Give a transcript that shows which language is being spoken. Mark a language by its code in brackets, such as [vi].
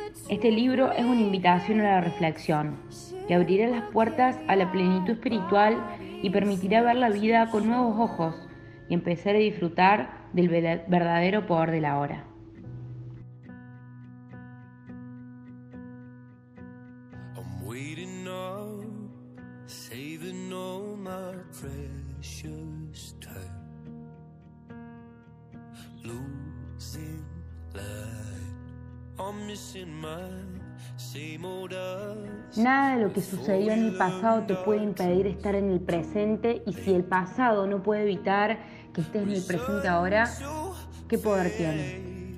[es] Este libro es una invitación a la reflexión y abrirá las puertas a la plenitud espiritual y permitirá ver la vida con nuevos ojos y empezar a disfrutar del verdadero poder de la hora. [en] I'm waiting up, saving all my precious time, losing light, I'm missing my same old us. [es] Nada de lo que sucedió en el pasado te puede impedir estar en el presente, y si el pasado no puede evitar que estés en el presente ahora, ¿qué poder tiene?